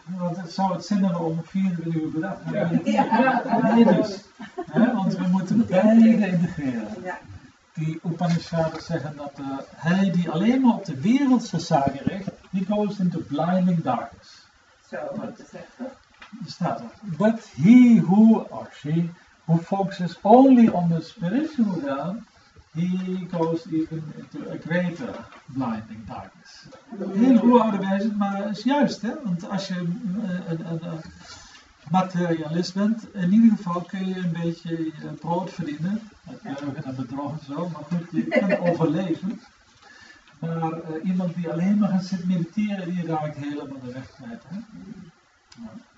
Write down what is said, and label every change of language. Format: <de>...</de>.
<nl>Want het zou het zin hebben om 24 uur per dag te hebben. Want we moeten beide integreren. Die Upanishaden zeggen dat hij die alleen maar op de wereldse zaken richt, die</nl> <en>goes into blinding darkness.</en> <nl>Zo, so, staat er.</nl> <en>But he who, or she, who focuses only on the spiritual realm, he goes even into a greater blinding darkness.</en> <nl>Heel oude wijze, maar is juist, hè? Want als je een materialist bent, in ieder geval kun je een beetje brood verdienen. Met leugen en bedrog en zo, maar goed, je kunt overleven. Maar iemand die alleen maar gaat zitten mediteren, die raakt helemaal de weg kwijt. Ja.</nl>